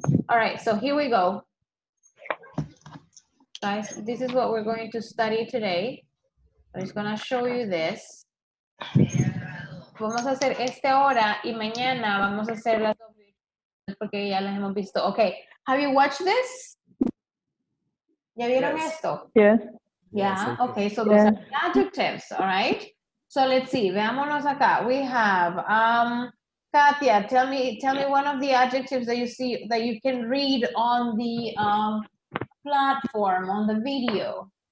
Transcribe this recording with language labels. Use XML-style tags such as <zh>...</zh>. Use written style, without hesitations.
<en>All right, so here we go. Guys, this is what we're going to study today. I'm just going to show you this.</en> <es>Vamos a hacer este ahora y mañana vamos a hacer las dos porque ya las hemos visto.</es> <en>Okay, have you watched this?</en> <es>¿Ya vieron esto?</es> <en>Yes. Yeah, okay, so those are the adjectives, all right? So let's see,</en> <es>veámonos acá.</es> <en>We have, Katia, tell me one of the adjectives that you see, that you can read on the platform, on the video.</en>